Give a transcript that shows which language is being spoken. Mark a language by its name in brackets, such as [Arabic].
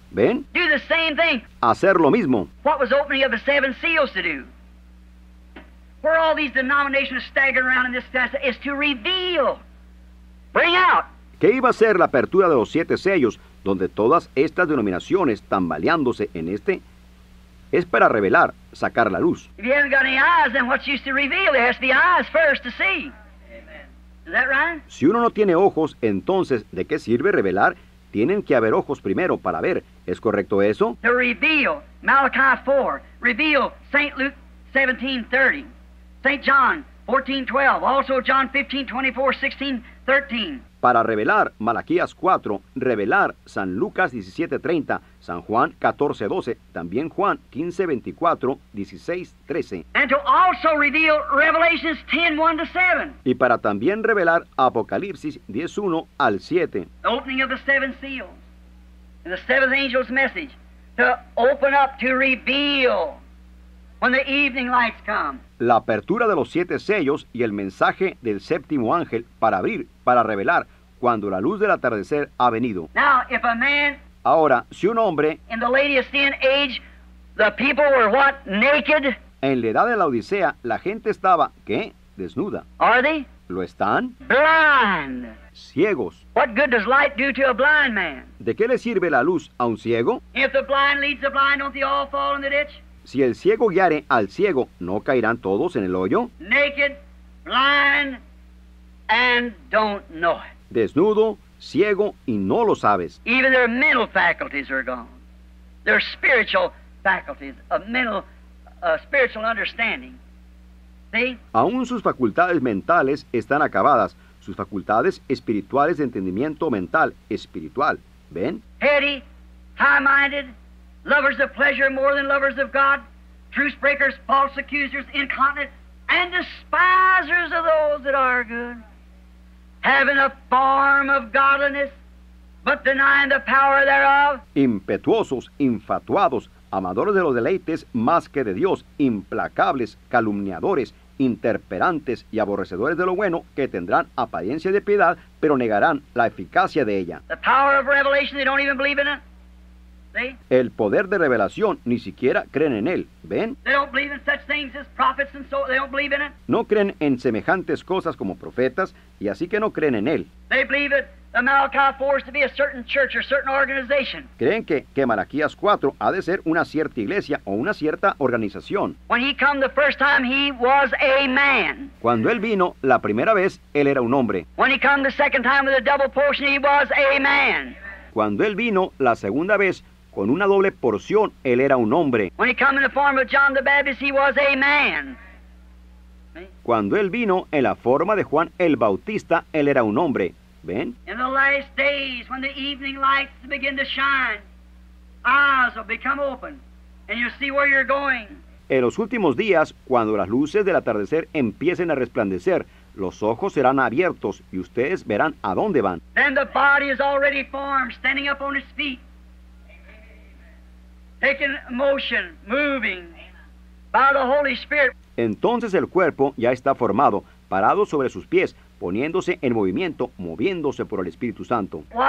[Spanish] ¿Ven? [English] Do the same thing. [Spanish] Hacer lo mismo. [English] What was opening of the seven seals to do? Where are all these denominations staggering around in this test? It's to reveal. Bring out. [Spanish] ¿Qué iba a ser la apertura de los siete sellos donde todas estas denominaciones tambaleándose en este? Es para revelar, sacar la luz. [English] If you haven't got any eyes, then what's used to reveal? There has to be eyes first to see. Is that right? [Spanish] Si uno no tiene ojos, entonces, ¿de qué sirve revelar? Tienen que haber ojos primero para ver. ¿Es correcto eso? [English] To reveal, Malachi 4, reveal, St. Luke 17:30, St. John 14:12, also John 15:24, 16:13. [Spanish] Para revelar, Malaquías 4, revelar, San Lucas 17:30, San Juan 14:12, también Juan 15:24, 16:13. [English] And to also reveal Revelations 10:1-7. [Spanish] Y para también revelar Apocalipsis 10:1-7. [English] The opening of the seven seals, and the seventh angel's message, to open up, to reveal, when the evening lights come. [Spanish] La apertura de los siete sellos y el mensaje del séptimo ángel para abrir, para revelar, cuando la luz del atardecer ha venido. [English] Now, if a man, [Spanish] ahora, si un hombre, [English] in the latest sin age, the people were what, naked? [Spanish] En la edad de la Odisea, la gente estaba, ¿qué? Desnuda. [English] Are they? [Spanish] ¿Lo están? [English] Blind. [Spanish] Ciegos. [English] What good does light do to a blind man? [Spanish] ¿De qué le sirve la luz a un ciego? [English] If the blind leads the blind, don't they all fall in the ditch? [Spanish] Si el ciego guiare al ciego, ¿no caerán todos en el hoyo? [English] Naked, blind, and don't know it. [Spanish] Desnudo, ciego, y no lo sabes. [English] Even their mental faculties are gone. Their spiritual faculties, a mental, spiritual understanding. See? [Spanish] Aún sus facultades mentales están acabadas. Sus facultades espirituales de entendimiento mental, espiritual. ¿Ven? [English] Heady, high-minded, lovers of pleasure more than lovers of God, truce breakers, false accusers, incontinent, and despisers of those that are good, having a form of godliness, but denying the power thereof. [Spanish] Impetuosos, infatuados, amadores de los deleites más que de Dios, implacables, calumniadores, interperantes y aborrecedores de lo bueno, que tendrán apariencia de piedad, pero negarán la eficacia de ella. [English] The power of revelation, they don't even believe in it. See? [Spanish] El poder de revelación, ni siquiera creen en él. ¿Ven? [English] They don't believe in such things as prophets and so they don't believe in it. [Spanish] No creen en semejantes cosas como profetas, y así que no creen en él. [English] They believe that the Malachi 4 is to be a certain church or certain organization. [Spanish] Creen que Malaquías 4 ha de ser una cierta iglesia o una cierta organización. [English] When he came the first time, he was a man. [Spanish] Cuando él vino la primera vez, él era un hombre. [English] When he came the second time with a double portion, he was a man. [Spanish] Cuando él vino la segunda vez con una doble porción, él era un hombre. [English] When he came in the form of John the Baptist, he was a man. [Spanish] Cuando él vino en la forma de Juan el Bautista, él era un hombre. ¿Ven? [English] In the last days, when the evening lights begin to shine, eyes will become open, and you'll see where you're going. [Spanish] En los últimos días, cuando las luces del atardecer empiecen a resplandecer, los ojos serán abiertos y ustedes verán a dónde van. [English] Then the body is already formed, standing up on its feet. taking motion, moving by the Holy Spirit. [Spanish] Entonces el cuerpo ya está formado, parado sobre sus pies, poniéndose en movimiento, moviéndose por el Espíritu Santo.